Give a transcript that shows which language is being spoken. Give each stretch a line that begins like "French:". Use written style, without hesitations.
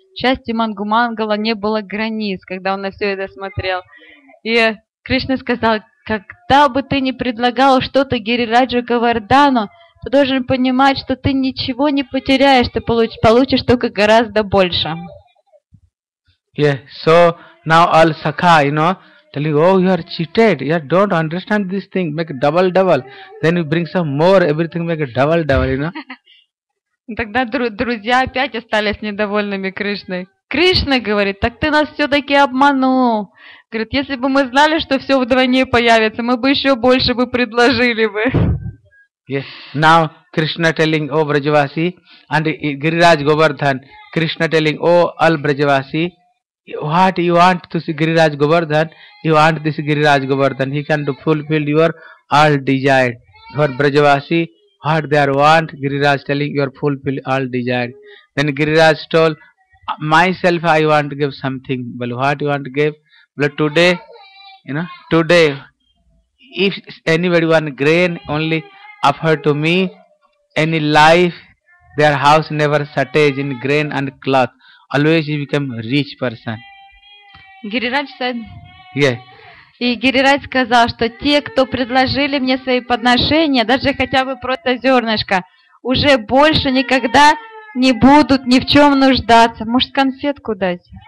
Russian: Счастью Мадхумангала не было границ, когда он на все это смотрел. И Кришна сказал: когда бы ты ни предлагал что-то Гирираджу Говардану, ты должен понимать, что ты ничего не потеряешь, ты получишь только гораздо больше.
English: Yeah, so now all Sakha, you know, tell you, oh, you are cheated, you don't understand this thing, make double. Then you bring some more, everything make double, you know.
Russian: Тогда друзья опять остались недовольными Кришной. Кришна говорит: так ты нас все-таки обманул. Говорит, если бы мы знали, что все вдвойне появится, мы бы еще больше бы предложили бы.
English: Yes, now Krishna telling, oh, Brajavasi, and Giriraj Govardhan, Krishna telling, oh, all Brajavasi, what you want to see Giriraj Govardhan, you want this Giriraj Govardhan, he can fulfill your all desire. For Brajavasi, what they are want, Giriraj telling, you are fulfill all desire. Then Giriraj told, myself I want to give something. Well, what you want to give? Well, today, you know, today, if anybody want grain, only offer to me any life, their house never shortage in grain and cloth. Always you become rich person. Giriraj said. Yeah.
Russian: И Гирирай сказал, что те, кто предложили мне свои подношения, даже хотя бы просто зернышко, уже больше никогда не будут ни в чем нуждаться. Может, конфетку дать?